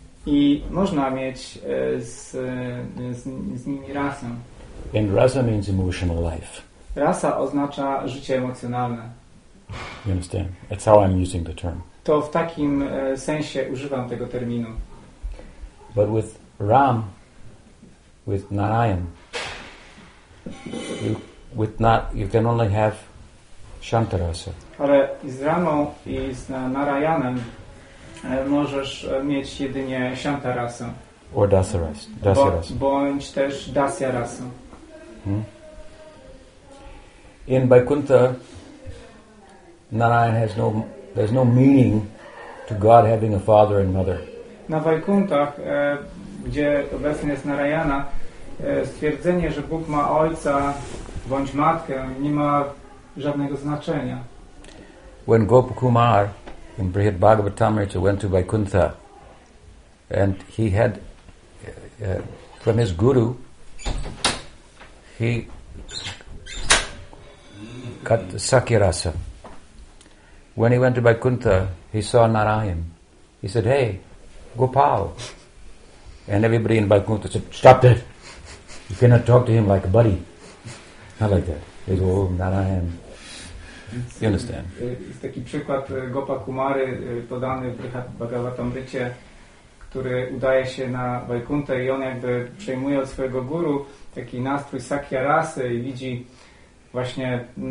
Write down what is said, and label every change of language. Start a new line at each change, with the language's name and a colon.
Polish: I można mieć z nimi rasę.
English: And rasa means emotional life.
Polish: Rasa oznacza życie emocjonalne.
English: You understand? That's how I'm using the term.
Polish: To w takim sensie używam tego terminu.
English: But with Ram, with Narayan, you can only have Shantarasa.
Polish: Ale z Ramą i z Narayanem możesz mieć jedynie Shantarasa.
English: Or Dasarasa.
Polish: Bądź też Dasyarasa.
English: In Vaikuntha, Narayan has no, there's no meaning to God having a father and mother.
Polish: na Vaikunthach, gdzie obecnie jest Narayana, stwierdzenie, że Bóg ma ojca bądź matkę, nie ma żadnego znaczenia.
English: When Gopakumar in Brihad Bhagavatamrita went to Vaikuntha and he had from his guru he got the Sakyarasa. When he went to Vaikuntha, he saw Narayan. He said, "Hey, Gopal." And everybody in Vaikuntha said, "Stop that. You cannot talk to him like a buddy." Not like that. He said, "Oh, Narayan." You understand?
Polish: Jest taki przykład Gopakumary podany w Brihad Bhagavatamrita, który udaje się na Vaikuntha i on jakby przejmuje od swojego guru taki nastrój Sakyarasy i widzi właśnie